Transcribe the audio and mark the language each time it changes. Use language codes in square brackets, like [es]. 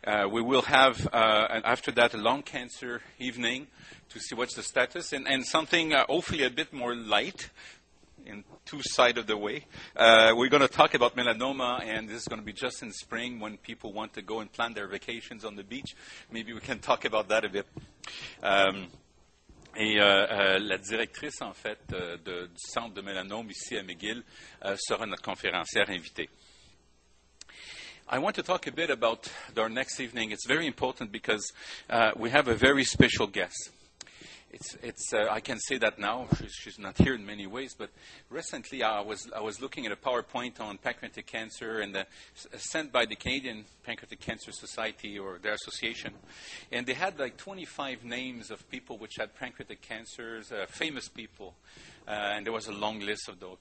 [en] We will have, after that, a lung cancer evening to see what's the status, and something hopefully a bit more light in two sides of the way. We're going to talk about melanoma, and this is going to be just in spring when people want to go and plan their vacations on the beach. Maybe we can talk about that a bit. [fr] Et la directrice, en fait, du Centre de mélanome ici à McGill sera notre conférencière invitée. [en] I want to talk a bit about our next evening. It's very important because we have a very special guest. I can say that now. She's not here in many ways, but recently I was looking at a PowerPoint on pancreatic cancer and sent by the Canadian Pancreatic Cancer Society or their association, and they had like 25 names of people which had pancreatic cancers, famous people, and there was a long list of those.